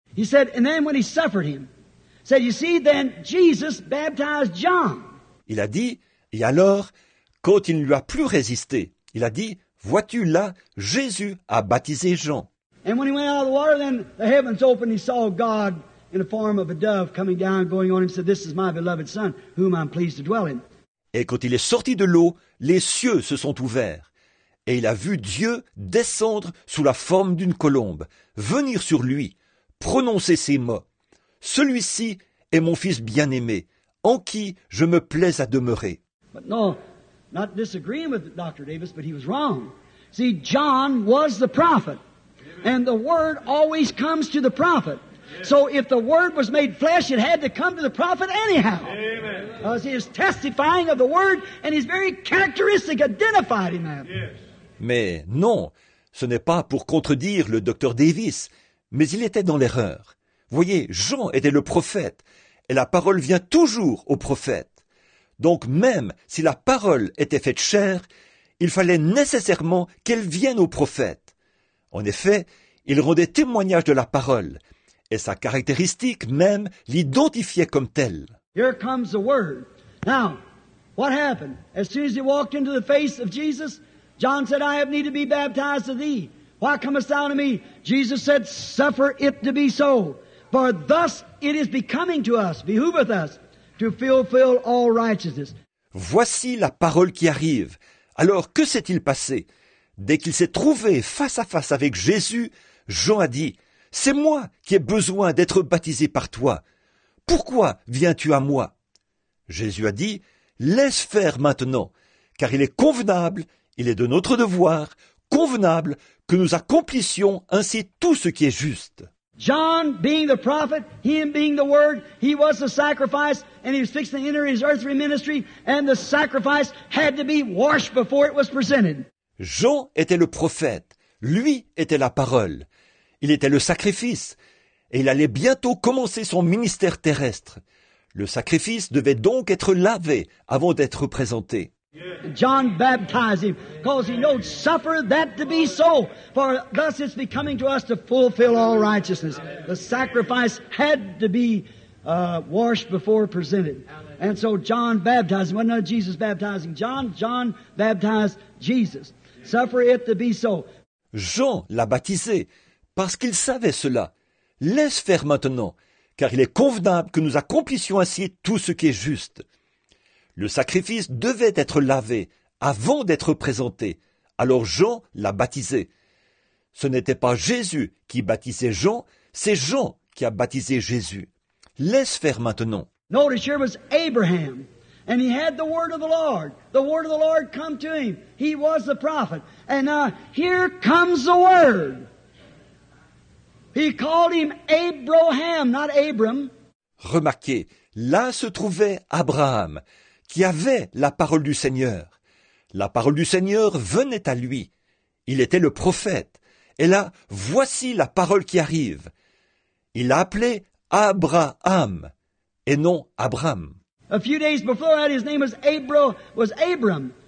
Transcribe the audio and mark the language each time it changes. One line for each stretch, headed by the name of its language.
English: He said, and then when he suffered him, said, you see, then Jesus baptized John.
French: Il a dit, et alors, quand il ne lui a plus résisté, il a dit, vois-tu là, Jésus a baptisé Jean.
English: And when he went out of the water, then the heavens opened, he saw God in the form of a dove coming down, going on him, said, this is my beloved son, whom I'm pleased to dwell in.
French: Et quand il est sorti de l'eau, les cieux se sont ouverts. Et il a vu Dieu descendre sous la forme d'une colombe, venir sur lui, prononcer ces mots. Celui-ci est mon fils bien-aimé, en qui je me plais à demeurer.
English: But no, not disagreeing with Dr. Davis, but he was wrong. See, John was the prophet. And the word always comes to the prophet. So if the word was made flesh, it had to come to the prophet anyhow. Amen. Because he is testifying of the word, and his very characteristic identified him. Yes.
French: Mais non, ce n'est pas pour contredire le docteur Davis, mais il était dans l'erreur. Voyez, Jean était le prophète, et la parole vient toujours au prophète. Donc même si la parole était faite chair, il fallait nécessairement qu'elle vienne au prophète. En effet, il rendait témoignage de la parole, et sa caractéristique même l'identifiait comme telle.
English: Here comes the word. Now, What happened? As soon as he walked into the face of Jesus, John said, I have need to be baptized of thee. Why comest thou to me? Jesus said, suffer it to be so. For thus it is becoming to us, behooveth us, to fulfill all righteousness.
French: Voici la parole qui arrive. Alors que s'est-il passé? Dès qu'il s'est trouvé face à face avec Jésus, Jean a dit, c'est moi qui ai besoin d'être baptisé par toi. Pourquoi viens-tu à moi? Jésus a dit, laisse faire maintenant, car il est convenable, il est de notre devoir, convenable que nous accomplissions ainsi tout ce qui est juste.
English: John being the prophet, him being the word, he was the sacrifice, and he was fixing to enter his earthly ministry, and the sacrifice had to be washed before it was presented.
French: Jean était le prophète, lui était la parole, il était le sacrifice, et il allait bientôt commencer son ministère terrestre. Le sacrifice devait donc être lavé avant d'être présenté.
English: John baptized him, because he knows suffer that to be so, for thus it's becoming to us to fulfill all righteousness. The sacrifice had to be washed before presented. And so John baptized him. Well, not Jesus baptizing John. John baptized Jesus. Suffer it to be so.
French: Jean l'a baptisé parce qu'il savait cela. Laisse faire maintenant, car il est convenable que nous accomplissions ainsi tout ce qui est juste. Le sacrifice devait être lavé avant d'être présenté. Alors Jean l'a baptisé. Ce n'était pas Jésus qui baptisait Jean, c'est Jean qui a baptisé Jésus. Laisse faire maintenant.
English: Notice here was Abraham, and he had the word of the Lord. The word of the Lord come to him. He was the prophet. And now here comes the word. He called him Abraham, not Abram.
French: Remarquez, là se trouvait Abraham, qui avait la parole du Seigneur. La parole du Seigneur venait à lui. Il était le prophète. Et là, voici la parole qui arrive. Il l'a appelé Abraham, et non Abraham.
English: A few days before that, his name was Abram.